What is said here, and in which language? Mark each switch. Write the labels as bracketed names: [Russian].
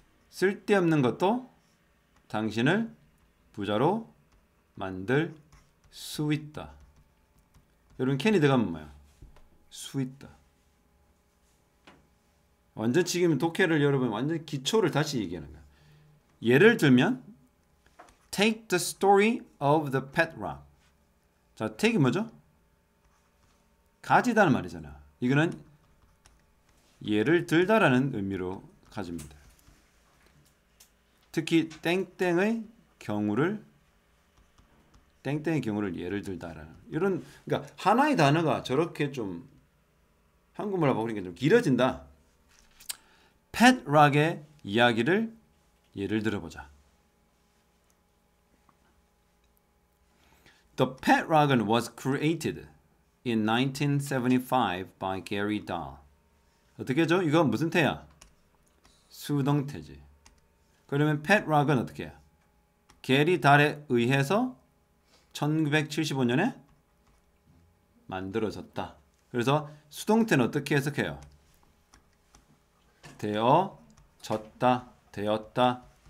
[Korean] 쓸데없는 것도 당신을 부자로 만들 수 있다. 여러분 can이 들어가면 뭐야? 수 있다. 완전 지금 독해를 여러분 완전 기초를 다시 얘기하는 거야. 예를 들면 [English] take the story of the pet rock. [Korean] 자, take이 뭐죠? 가지다는 말이잖아. 이거는 예를 들다라는 의미로 가집니다. 특히 땡땡의 경우를 예를 들다라는 이런 그러니까 하나의 단어가 저렇게 좀 한국말로 바꾸니까 좀 길어진다. 팻 락의 이야기를 예를 들어보자. [English] The Pet Rock was created in 1975 by Gary Dahl. [Korean] 어떻게 하죠? 이건 무슨 태야? 수동태지. 그러면 Pet Rock은 어떻게 해? 게리 달에 의해서 1975년에 만들어졌다. 그래서 수동태는 어떻게 해석해요? 되어졌다, 되었다.